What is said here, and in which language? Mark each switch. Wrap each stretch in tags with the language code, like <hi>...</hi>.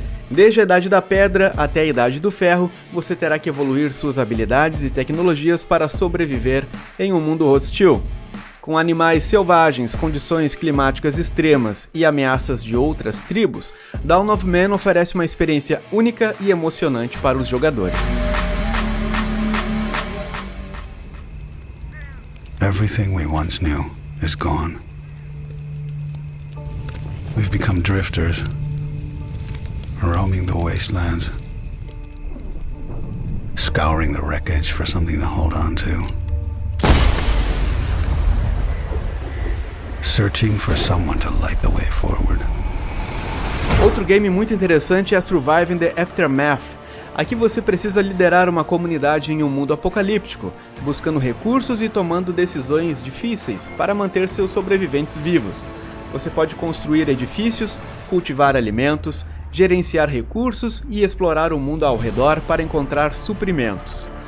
<pt>Desde a Idade da Pedra até a Idade do Ferro, você terá que evoluir suas habilidades e tecnologias para sobreviver em um mundo hostil. Com animais selvagens, condições climáticas extremas e ameaças de outras tribos, Dawn of Man oferece uma experiência única e emocionante para os jogadores.</pt> <en>Everything we once knew is gone. We've become drifters, roaming the wastelands, scouring the wreckage for something to hold on to. Searching for someone to light the way forward.</en> <pt>Outro game muito interessante é Surviving the Aftermath. Aqui você precisa liderar uma comunidade em um mundo apocalíptico, buscando recursos e tomando decisões difíceis para manter seus sobreviventes vivos. Você pode construir edifícios, cultivar alimentos, gerenciar recursos e explorar o mundo ao redor para encontrar suprimentos.</pt>